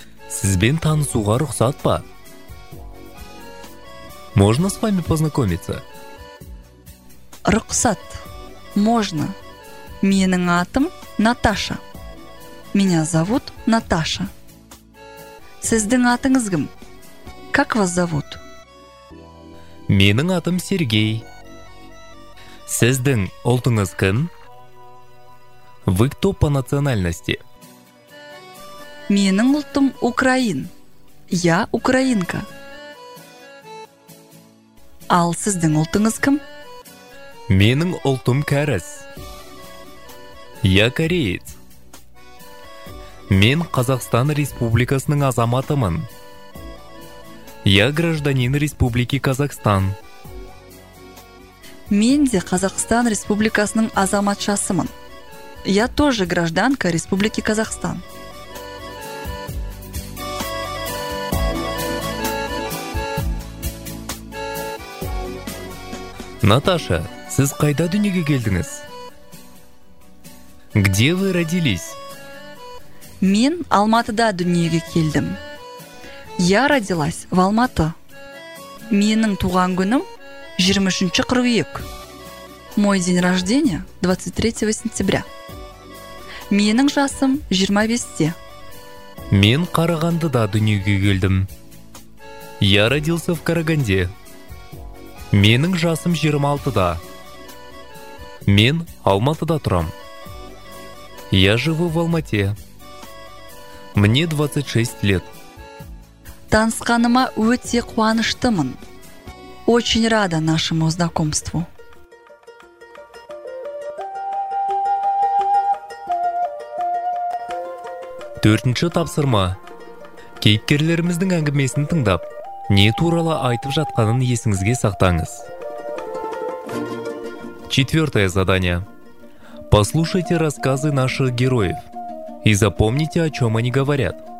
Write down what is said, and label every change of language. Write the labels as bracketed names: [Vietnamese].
[Kazakh] Сізбен танысуға рұқсат па? [Russian] Можно с вами познакомиться? [Kazakh] Рұқсат. [Russian] Можно. [Kazakh] Менің атым Наташа. [Russian] Меня зовут Наташа. [Kazakh] Сіздің атыңыз кім? [Russian] Как вас зовут? [Kazakh] Менің атым Сергей. Сіздің ұлтыңыз кім? [Russian] Вы кто по национальности? [Kazakh] Менің ұлтым Украин. [Russian] Я украинка. [Kazakh] Ал сіздің ұлтыңыз кім? Менің ұлтым кәріс. [Russian] Я кореец. [Kazakh] Мен Қазақстан Республикасының азаматымын. [Russian] Я гражданин Республики Казахстан. [Kazakh] Мен де Қазақстан Республикасының азаматшасымын. [Russian] Я тоже гражданка Республики Казахстан. [Kazakh] Наташа, сіз қайда дүниеге келдіңіз? [Russian] Где вы родились? [Kazakh] Мен Алматыда дүниеге келдім. [Russian] Я родилась в Алматы. [Kazakh] Менің туған күнім 23 қыркүйек. [Russian] Мой день рождения 23 сентября. [Kazakh] Менің жасым 25-те. Мен Қарағандыда дүниеге келдім. [Russian] Я родился в Караганде. [Kazakh] Менің жасым 26-да. [Russian] Мен Алматыда тұрам. Я живу в Алмате. Мне 26 лет. [Kazakh] Танысқаныма өте қуаныштымын. [Russian] Очень рада нашему знакомству. [Kazakh] Төртінші тапсырма. Кейіпкерлеріміздің әңгімесін тыңдап, не туралы айтып жатқанын есіңізге сақтаңыз. [Russian] Четвертое задание. Послушайте рассказы наших героев и запомните, о чем они говорят.